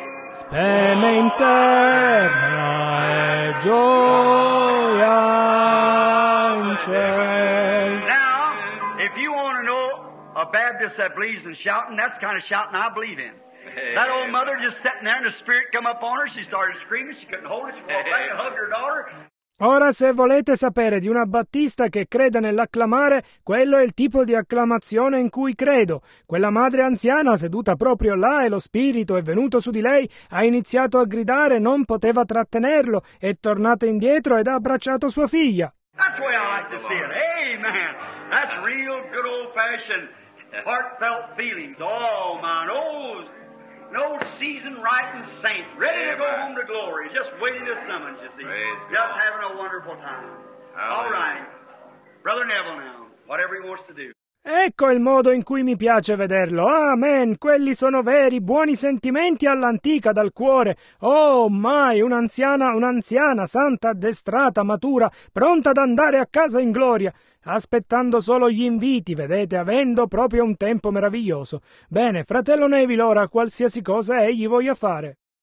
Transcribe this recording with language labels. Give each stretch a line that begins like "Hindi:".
Italian: speme in terra e gioia in ciel.
English: Now, if you want to know a Baptist that believes in shouting, that's the kind of shouting I believe in. That old mother just sitting there and the spirit come up on her, she started screaming, she couldn't hold it, she walked back and hugged her daughter.
Italian: Ora, se volete sapere di una battista che creda nell'acclamare, quello è il tipo di acclamazione in cui credo. Quella madre anziana seduta proprio là e lo spirito è venuto su di lei, ha iniziato a gridare, non poteva trattenerlo, è tornata indietro ed ha abbracciato sua figlia.
English: That's the way I like to see it. Amen. That's real good old fashioned heartfelt feelings. Oh, my nose. No season writing saint, ready to go home to glory, just waiting to summons, you see. Just having a wonderful time. All right. Brother Neville now, whatever he wants to do.
Italian: Ecco il modo in cui mi piace vederlo. Amen. Quelli sono veri, buoni sentimenti all'antica, dal cuore. Oh, mai, un'anziana, santa, addestrata, matura, pronta ad andare a casa in gloria, aspettando solo gli inviti, vedete, avendo proprio un tempo meraviglioso. Bene, fratello Neville, ora qualsiasi cosa egli voglia fare.